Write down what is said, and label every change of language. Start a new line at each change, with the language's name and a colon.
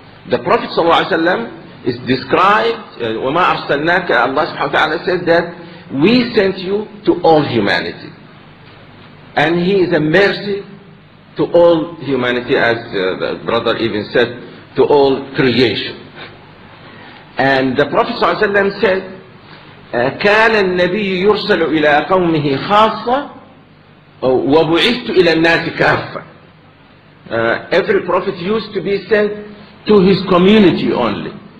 English: The Prophet ﷺ is described,
Arabic: وَمَا أَرْسَلْنَاكَ,
English: Allah subhanahu wa ta'ala says that we sent you to all humanity. And he is a mercy to all humanity, as the brother even said, to all creation. And the Prophet ﷺ said,
Arabic: كَانَ النَّبِيُّ يُرْسَلُ إِلَىٰ قَوْمِهِ خَاصَّةً وَبُعِثْتُ إِلَىٰ النَّاسِ كَافَّةً.
English: Every Prophet used to be sent to his community only.